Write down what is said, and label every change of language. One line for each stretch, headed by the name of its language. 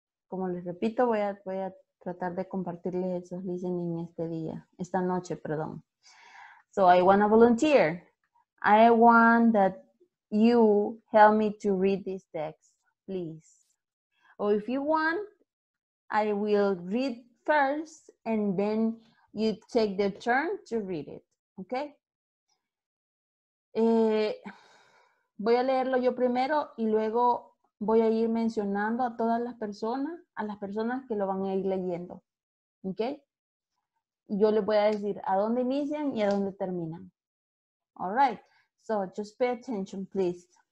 Spanish: Como les repito, voy a tratar de compartirles esos listening esta noche.
English: So I want to volunteer. I want that you help me to read this text, please. Or if you want, I will read first and then you take the turn to read it, okay?
Spanish: Voy a leerlo yo primero y luego voy a ir mencionando a todas las personas, a las personas que lo van a ir leyendo, okay? Yo les voy a decir a dónde inician y a dónde terminan.
English: All right, so just pay attention, please.